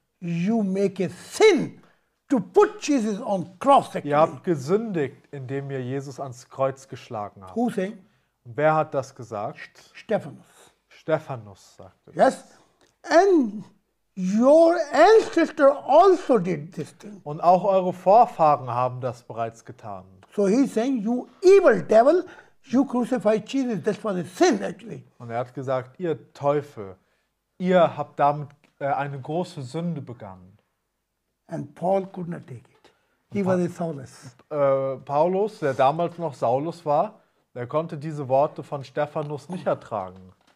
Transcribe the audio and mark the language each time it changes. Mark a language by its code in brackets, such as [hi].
[en] You make a sin to put Jesus on cross. [de] Ihr habt gesündigt, indem ihr Jesus ans Kreuz geschlagen habt. [en] Who saying? [de] Wer hat das gesagt? [en] Stephanus. [de] Stephanus sagte. [en] Yes. And your ancestor also did this thing. [de] Und auch eure Vorfahren haben das bereits getan. [en] So he's saying, you evil devil, you crucified Jesus. That was a sin, actually. [de] Und er hat gesagt, ihr Teufel, ihr habt damit eine große Sünde begangen. [en] And Paul could not take it. He was a Saulus. [de] Paulus, der damals noch Saulus war, der konnte diese Worte von Stephanus nicht ertragen.